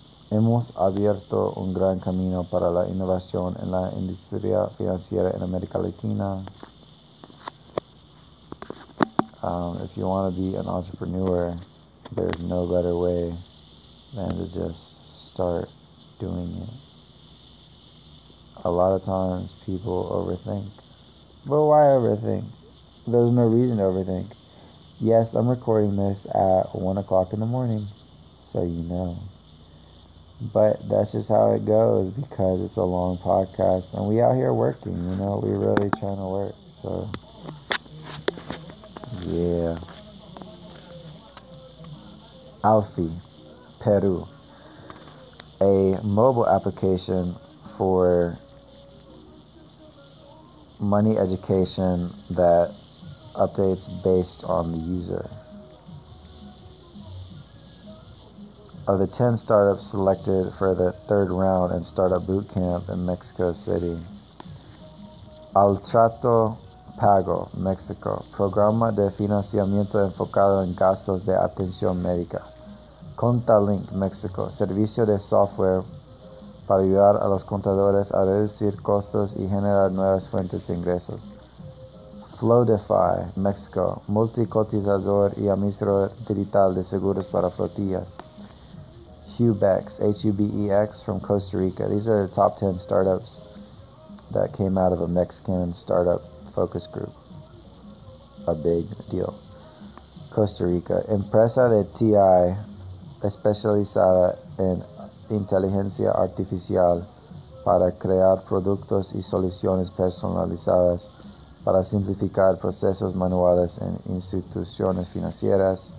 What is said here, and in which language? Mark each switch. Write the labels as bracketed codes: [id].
[es] Hemos abierto un gran camino para la innovación en la industria financiera en América Latina. [en] If you want to be an entrepreneur, there's no better way than to just start doing it. A lot of times people overthink. But why overthink? There's no reason to overthink. Yes, I'm recording this at 1 o'clock in the morning, so you know. But that's just how it goes because it's a long podcast and we out here working, you know, we really trying to work, so yeah. Alfi, Peru, a mobile application for money education that updates based on the user. Of the 10 startups selected for the third round in Startup Bootcamp in Mexico City. Altrato Pago, Mexico. [es] Programa de financiamiento enfocado en gastos de atención médica. ContaLink, Mexico. Servicio de software para ayudar a los contadores a reducir costos y generar nuevas fuentes de ingresos. Flowdify, Mexico. Multicotizador y administrador digital de seguros para flotillas. [en] Hubex, H-U-B-E-X, from Costa Rica. These are the top 10 startups that came out of a Mexican startup focus group. A big deal. Costa Rica. [es] Empresa de TI, especializada en inteligencia artificial para crear productos y soluciones personalizadas para simplificar procesos manuales en instituciones financieras.